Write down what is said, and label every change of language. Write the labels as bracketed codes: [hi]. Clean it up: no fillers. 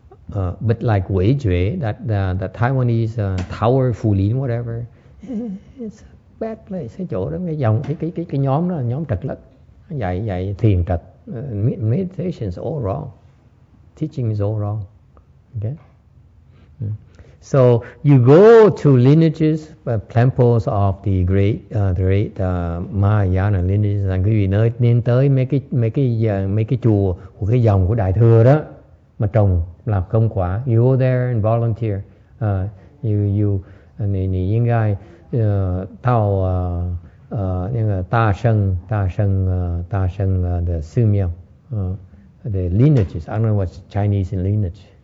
[en] But like Wei Jue, that Taiwanese tower, Phu Lin, whatever, it's a bad place. [vi] Cái chỗ đó, cái dòng, cái nhóm đó, nhóm trật lất, dạy thiền trật, [en] meditation is all wrong, teaching is all wrong. [vi] Okay. [en] So you go to lineages, temples of the great Mahayana lineages, and [vi] quý vị nên tới mấy cái chùa của cái dòng của đại thừa đó mà trồng làm công quả. [en] You go there and volunteer. The sư miêu, the lineages. I don't know what's Chinese in lineage.